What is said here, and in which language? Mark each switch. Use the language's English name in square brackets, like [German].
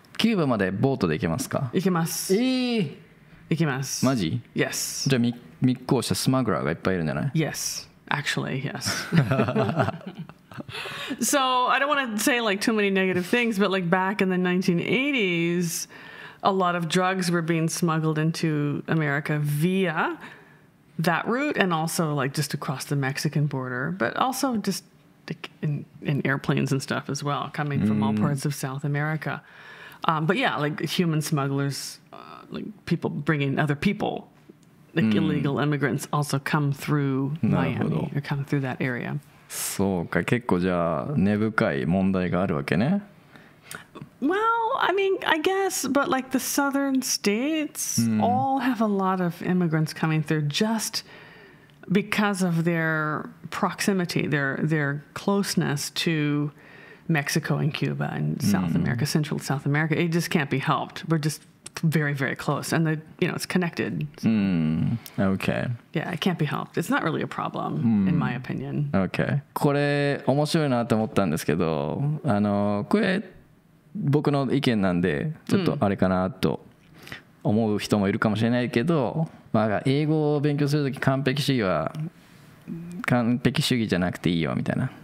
[Japanese] キューバまでボートで行けますか？行けます。行けます。マジ？ [English] Yes. [Japanese] じゃあ密航したスマグラーがいっぱいいるんじゃない？ [English] Yes. Actually, yes. So I don't want to say like too many negative things, but like back in the 1980s, a lot of drugs were being smuggled into America via that route and also like just across the Mexican border, but also just in airplanes and stuff as well, coming from all parts of South America. But yeah, like human smugglers, like people bringing other people. Like illegal immigrants also come through Miami or come through that area. [Japanese] そうか、結構じゃあ根深い問題があるわけね。 [English] Well, I mean, I guess, but like the southern states all have a lot of immigrants coming through just because of their proximity, their closeness to Mexico and Cuba and South America, Central South America. It just can't be helped. We're justvery, very close. And, you know, it's connected. Okay. Yeah, it can't be helped. It's not really a problem, in my opinion. Okay. [Japanese] これ面白いなって思ったんですけど、あの、これ僕の意見なんで、ちょっとあれかなと思う人もいるかもしれないけど、まあ、英語を勉強するとき完璧主義は完璧主義じゃなくていいよみたいな。